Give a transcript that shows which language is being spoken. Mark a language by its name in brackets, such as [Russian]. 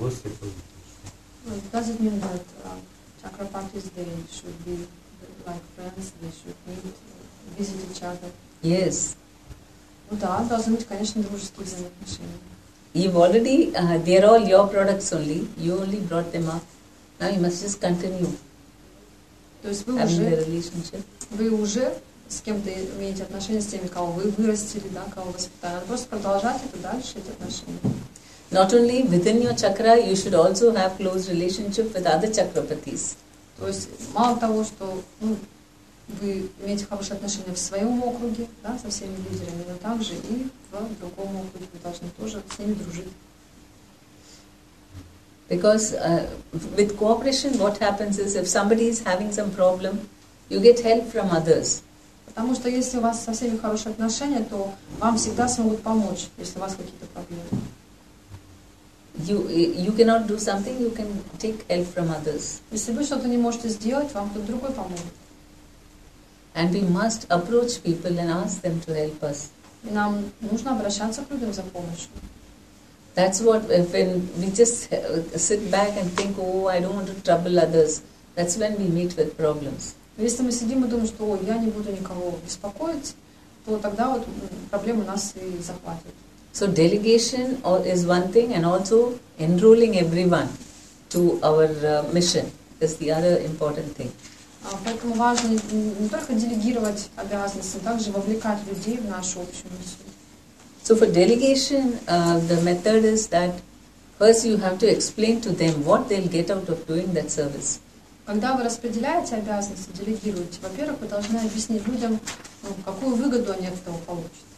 [English] Well, does it mean that chakrapatis, they should be like friends, they should meet, visit each other? Yes. [Russian] Ну да, должны быть, конечно, дружеские взаимоотношения. [English] You've already, they're all your products only, you only brought them up. Now you must just continue. [Russian] То есть вы уже, с кем-то имеете отношения, с теми, кого вы вырастили, да, кого воспитали. Надо просто продолжать это дальше, эти отношения. [English] Not only within your chakra, you should also have close relationship with other chakrapatis. [Russian] То есть мало того, что вы имеете хорошие отношения в своем округе, да, со всеми лидерами, но также и в другом округе вы должны тоже с ними дружить. [English] Because with cooperation, what happens is, if somebody is having some problem, you get help from others. [Russian] Потому что если у вас со всеми хорошие отношения, то вам всегда смогут помочь, если у вас какие-то проблемы. [English] You cannot do something, you can take help from others. [Russian] Если вы что-то не можете сделать, вам кто-то другой поможет. [English] And we must approach people and ask them to help us. [Russian] И нам нужно обращаться к людям за помощью. [English] That's what, when we just sit back and think, oh, I don't want to trouble others, that's when we meet with problems. [Russian] Если мы сидим и думаем, что ой, я не буду никого беспокоить, то тогда вот проблемы нас и захватят. [English] So delegation is one thing, and also enrolling everyone to our mission is the other important thing. [Russian] Поэтому важно не только делегировать обязанности, но также вовлекать людей в нашу общую миссию. [English] So for delegation, the method is that first you have to explain to them what they'll get out of doing that service. [Russian] Когда вы распределяете обязанности, делегируете, во-первых, вы должны объяснить людям, какую выгоду они от этого получат.